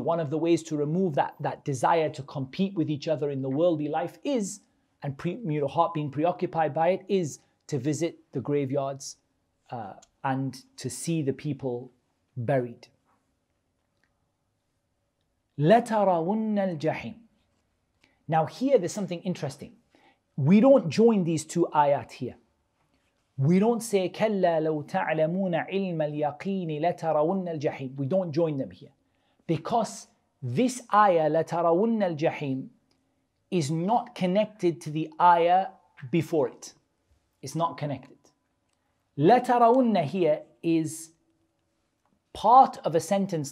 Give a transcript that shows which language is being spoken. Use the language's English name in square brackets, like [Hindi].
[English] One of the ways to remove that desire to compete with each other in the worldly life is, and your heart being preoccupied by it, is to visit the graveyards and to see the people buried. [Arabic] لَتَرَوُنَّ الْجَحِيمِ. [English] Now here there's something interesting. We don't join these two ayat here. We don't say [Arabic] كَلَّا لَوْ تَعْلَمُونَ عِلْمَ الْيَقِينِ لَتَرَوُنَّ الْجَحِيمِ. [English] We don't join them here, because this ayah [Arabic] لَتَرَوُنَّ الْجَحِيمِ [English] is not connected to the ayah before it. It's not connected. لَتَرَوُنَّ here is part of a sentence.